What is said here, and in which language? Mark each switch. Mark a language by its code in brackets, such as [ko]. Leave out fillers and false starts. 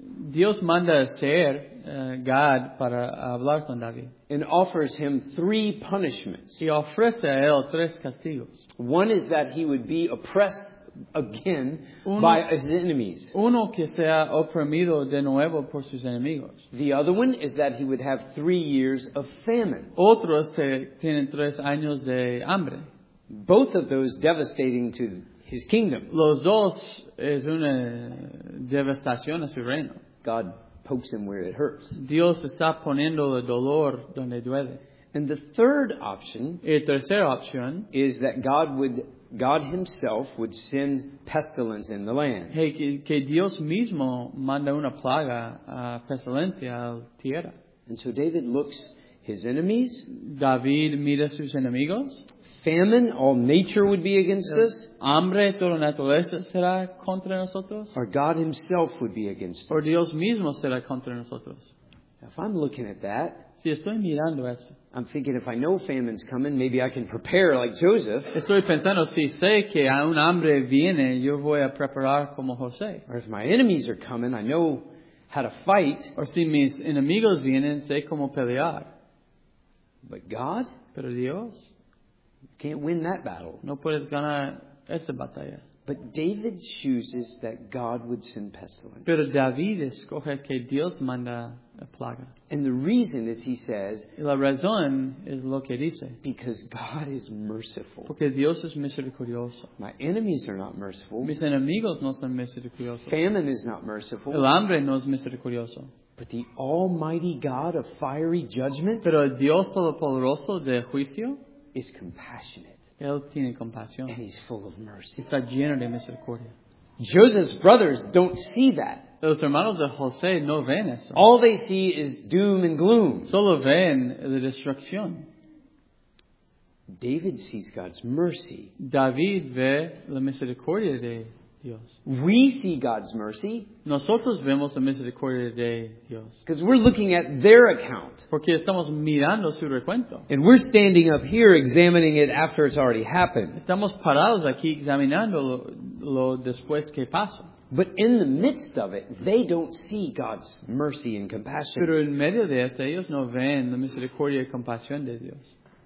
[es] Dios manda a ser Gad para hablar con David. [en] And offers him three punishments. [es] Y ofrece a él tres castigos. [en] One is that he would be oppressed again by his enemies. [es] Uno que sea oprimido de nuevo por sus enemigos. [en] The other one is that he would have 3 years of famine. [es] Otros que tienen tres años de hambre. [en] Both of those devastating to his kingdom. [es] Los dos es una devastación a su reino. [en] God pokes him where it hurts. [es] Dios está poniendo el dolor donde duele. [en] And the third option, [es] y tercera opción, [en] is that God himself would send pestilence in the land. [es] Hey, que Dios mismo manda una plaga, pestilencia a la tierra. [en] And so David looks his enemies. [es] David mira sus enemigos. [en] Famine, all nature would be against us. [es] Hambre, toda naturaleza será contra nosotros. [en] Or God himself would be against us. [es] O Dios mismo será contra nosotros. [en] If I'm looking at that, [es] si estoy mirando esto, [en] I'm thinking if I know famine's coming, maybe I can prepare like Joseph. [es] Estoy pensando, si sé que un hambre viene, yo voy a preparar como José. [en] Or if my enemies are coming, I know how to fight. [es] O si mis enemigos vienen, sé cómo pelear. [en] But God? [es] Pero Dios? [en] Can't win that battle. [es] No puedes ganar esa batalla. [en] But David chooses that God would send pestilence. [es] Pero David escoge que Dios manda la plaga. [en] And the reason is, he says, [es] y la razón es lo que dice. [en] Because God is merciful. [es] Porque Dios es misericordioso. [en] My enemies are not merciful. [es] Mis enemigos no son misericordiosos. [en] Famine is not merciful. [es] El hambre no es misericordioso. [en] But the Almighty God of fiery judgment. [es] Pero Dios todopoderoso de juicio. [en] Is compassionate. [es] Él tiene compasión. [en] And he's full of mercy. [es] Está lleno de misericordia. [en] Joseph's brothers don't see that. [es] Los hermanos de José no ven eso. [en] All they see is doom and gloom. [es] Solo ven la destrucción. [en] David sees God's mercy. [es] David ve la misericordia de Dios. [en] We see God's mercy. [es] Nosotros vemos la misericordia de Dios. [en] Because we're looking at their account. [es] Porque estamos mirando su recuento. [en] And we're standing up here examining it after it's already happened. [es] Estamos parados aquí examinándolo después que pasó. [en] But in the midst of it, they don't see God's mercy and compassion. [es] Pero en medio de esto, ellos no ven la misericordia y compasión de Dios.